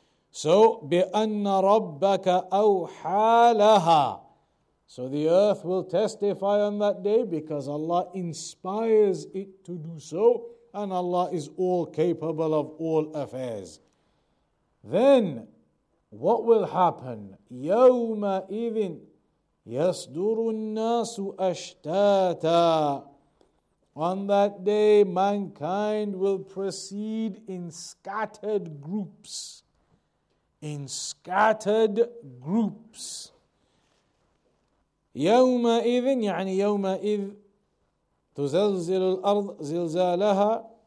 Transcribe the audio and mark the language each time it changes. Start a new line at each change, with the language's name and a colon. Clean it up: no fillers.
Arabic: So, بِأَنَّ رَبَّكَ أَوْحَى لَهَا.
English: So the earth will testify on that day because Allah inspires it to do so and Allah is all capable of all affairs. Then, what will happen?
Arabic: يَوْمَ إِذٍ يَصْدُرُ النَّاسُ أَشْتَاتًا.
English: On that day, mankind will proceed in scattered groups. In scattered groups.
Arabic: يَوْمَ إِذٍ يعني يَوْمَ إِذْ تُزَلْزِلُ الْأَرْضِ زِلْزَالَهَا.